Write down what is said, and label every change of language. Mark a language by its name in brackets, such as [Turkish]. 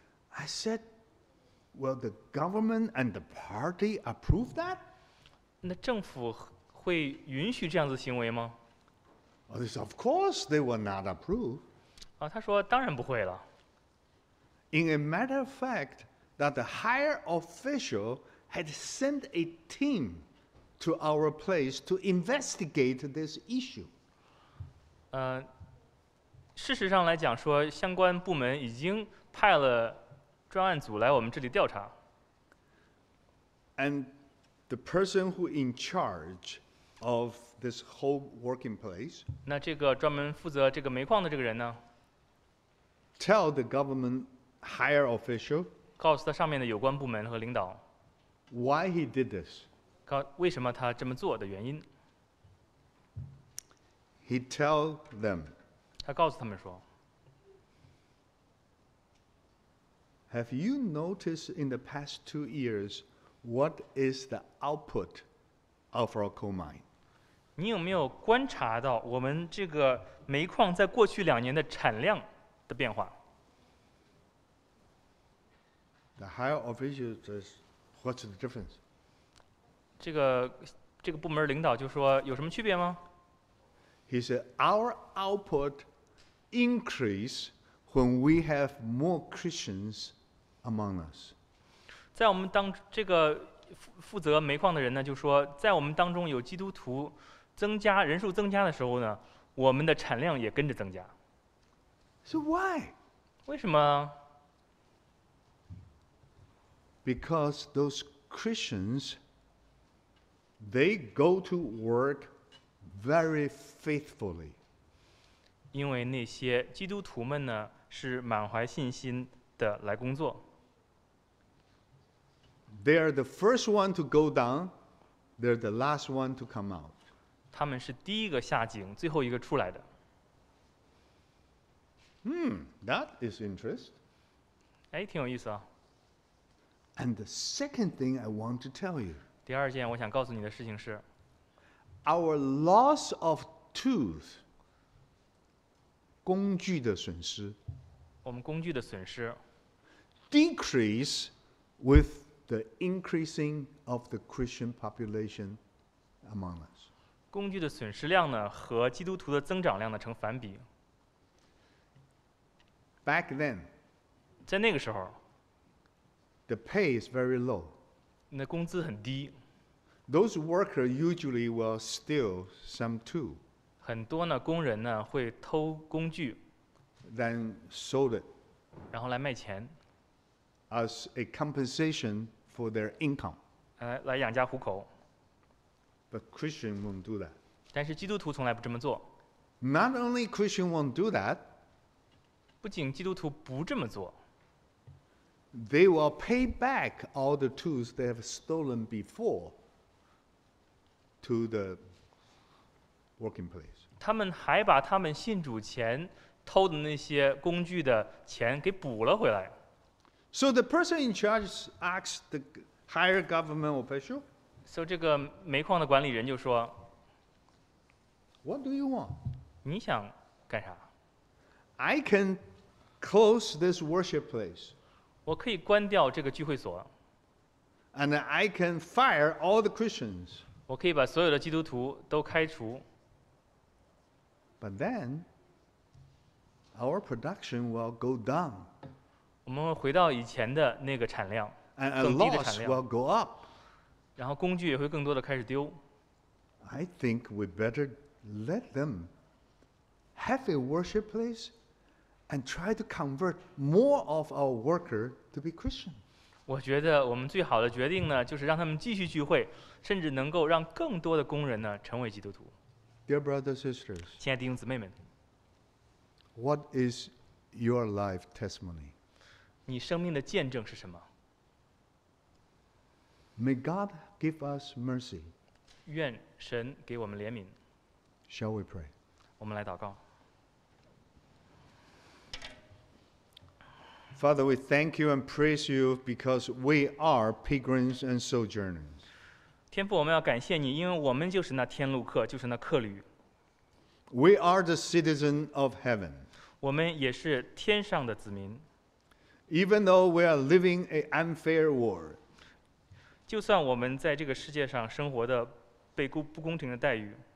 [English] I said. Will the government and the party approve that? [Chinese] 那政府会允许这样子行为吗？ [English] Oh, they said, of course they will not approve. [Chinese] 啊，他说当然不会了。 [English] In a matter of fact, that the higher official had sent a team to our place to investigate this issue. [Chinese] 事实上来讲说，相关部门已经派了专案组来我们这里调查。 [English] And the person who in charge of this whole working place. [Chinese] 那这个专门负责这个煤矿的这个人呢？ [English] Tell the government higher official， [Chinese] 告诉他上面的有关部门和领导 [English] why he did this， [Chinese] 为什么他这么做的原因。 [English] He tell them， [Chinese] 他告诉他们说 [English] ，Have you noticed in the past 2 years what is the output of our coal mine？ [Chinese] 你有没有观察到我们这个煤矿在过去2年的产量的变化 [English] ？The higher official says, "What's the difference?" [Chinese] 这个部门领导就说有什么区别吗 [English] ？He said, "Our output increase when we have more Christians among us." [Chinese] 在我们当这个负责煤矿的人呢，就说在我们当中有基督徒。增加人数增加的时候呢，我们的产量也跟着增加。 [English] So why？ [Chinese] 为什么 [English] ？Because those Christians, they go to work very faithfully。 [Chinese] 因为那些基督徒们呢，是满怀信心的来工作。 [English] They are the first one to go down. They're the last one to come out. [Chinese] 他们是第一个下井，最后一个出来的。 [English] That is interesting. [Chinese] 哎，挺有意思啊。 [English] And the second thing I want to tell you. [Chinese] 第二件我想告诉你的事情是 [English] ，Our loss of tools. [Chinese] 工具的损失。我们工具的损失。 [English] Decrease with the increasing of the Christian population among us. [Chinese] 工具的损失量呢，和基督徒的增长量呢成反比。 [English] Back then， [Chinese] 在那个时候 [English] ，the pay is very low， [Chinese] 那工资很低。 [English] Those workers usually will steal some tool， [Chinese] 很多呢工人呢会偷工具 [English] ，then sold it， [Chinese] 然后来卖钱 [English] ，as a compensation for their income， [Chinese] 来养家糊口。 [English] But Christian won't do that. [Chinese] 但是基督徒从来不这么做。 [English] Not only Christian won't do that. [Chinese] 不仅基督徒不这么做。 [English] They will pay back all the tools they have stolen before to the working place. [Chinese] 他们还把他们信主前偷的那些工具的钱给补了回来。 [English] So the person in charge asks the higher government official. So [Chinese] 这个煤矿的管理人就说 [English] ，What do you want？ [Chinese] 你想干啥 [English] ？I can close this worship place。 [Chinese] 我可以关掉这个聚会所。 [English] And I can fire all the Christians。 [Chinese] 我可以把所有的基督徒都开除。 [English] But then our production will go down。 [Chinese] 我们会回到以前的那个产量，更低的产量。 [English] And a loss will go up。 [Chinese] 然后工具也会更多的开始丢。 [English] I think we better let them have a worship place and try to convert more of our worker to be Christian. [Chinese] 我觉得我们最好的决定呢，就是让他们继续聚会，甚至能够让更多的工人呢成为基督徒。 [English] Dear brothers and sisters, [Chinese] 亲爱的弟兄姊妹们 [English] ，What is your life testimony? [Chinese] 你生命的见证是什么？ [English] May God give us mercy. [Chinese] 愿神给我们怜悯。 [English] Shall we pray? [Chinese] 我们来祷告。 [English] Father, we thank you and praise you because we are pilgrims and sojourners. [Chinese] 天父，我们要感谢你，因为我们就是那天路客，就是那客旅。 [English] We are the citizens of heaven. [Chinese] 我们也是天上的子民。 [English] Even though we are living an unfair world. [Chinese] 就算我们在这个世界上生活的被不公平的待遇